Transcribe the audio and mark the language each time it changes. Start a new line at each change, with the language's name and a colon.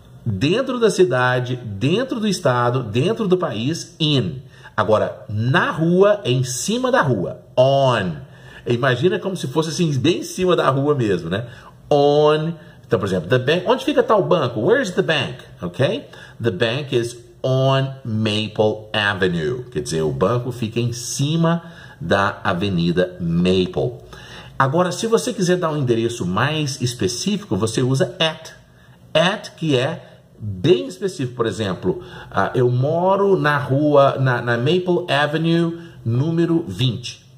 Portuguese: dentro da cidade, dentro do estado, dentro do país, in. Agora, na rua, é em cima da rua, on. Imagina como se fosse assim, bem em cima da rua mesmo, né? On. Então, por exemplo,
English: the bank,
Portuguese: onde fica tal banco?
English: Where is the bank? Ok? The bank is on Maple Avenue.
Portuguese: Quer dizer, o banco fica em cima da Avenida Maple. Agora, se você quiser dar um endereço mais específico, você usa at. At, que é bem específico. Por exemplo, eu moro na rua, na Maple Avenue, número 20.